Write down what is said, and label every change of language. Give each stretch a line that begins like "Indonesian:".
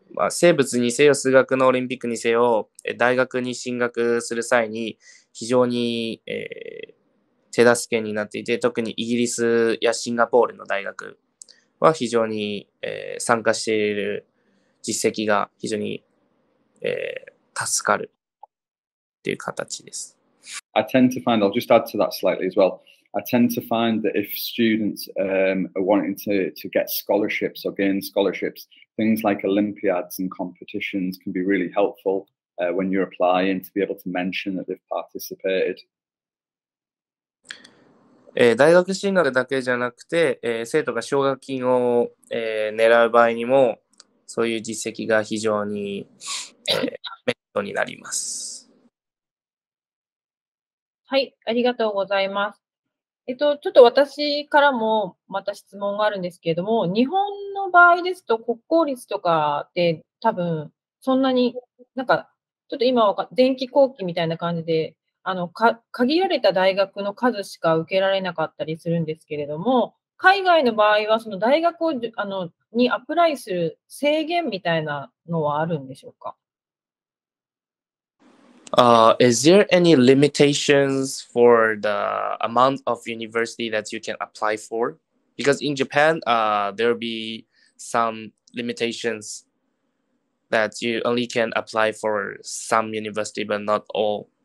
Japanese: 生物にせよ数学のオリンピックにせよ、大学に進学する際に非常に、手助けになっていて、特にイギリスやシンガポールの大学は非常に、参加している実績が非常に、助かるという形です。
English: I'll just add to that slightly as well. I tend to find that if students are wanting to get scholarships or gain scholarships, things like Olympiads and competitions can be really helpful when you're applying to be able to mention that they've participated.
Japanese: 大学進学だけじゃなくて、生徒が奨学金を、狙う場合にも、そういう実績が非常に、メリットになります。はい、ありがとうございます。ちょっと私からもまた質問があるんですけれども、日本の場合ですと国公立とかって多分そんなに、なんかちょっと今は前期後期みたいな感じで、限られた大学の数しか受けられなかったりするんですけれども、海外の場合はその大学をにアプライする制限みたいなのはあるんでしょうか？
English: Is there any limitations for the amount of university that you can apply for? Because in Japan, there'll be some limitations that you only can apply for some university, but not all.